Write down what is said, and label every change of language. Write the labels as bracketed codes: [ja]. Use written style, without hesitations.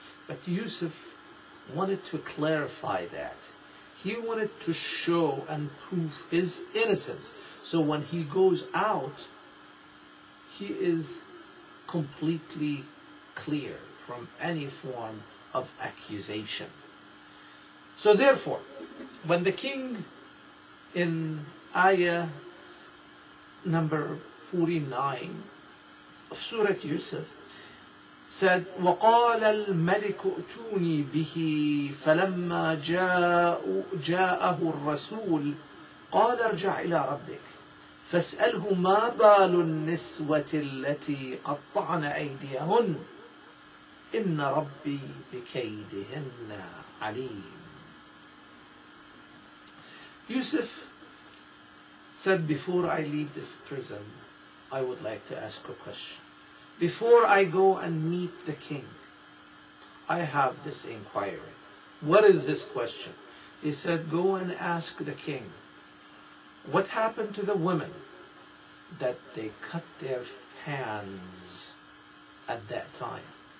[en] But Yusuf wanted to clarify that. He wanted to show and prove his innocence. So when he goes out, he is completely clear from any form of accusation. So therefore, when the king in ayah number 49 of Surah Yusuf [ar] said, وَقَالَ الْمَلِكُ أُتُونِي بِهِ فَلَمَّا جَاءَهُ الرَّسُولُ قَالَ ارْجَعْ إِلَى رَبِّكَ فَاسْأَلْهُ مَا بَالُ النِّسْوَةِ الَّتِي قَطَّعْنَ أَيْدِيَهُنْ إِنَّ رَبِّي بِكَيْدِهِنَّ عَلِيمٌ. [en] Yusuf said, before I leave this prison, I would like to ask a question. Before I go and meet the king, I have this inquiry. What is this question? He said, go and ask the king, what happened to the women that they cut their hands at that time?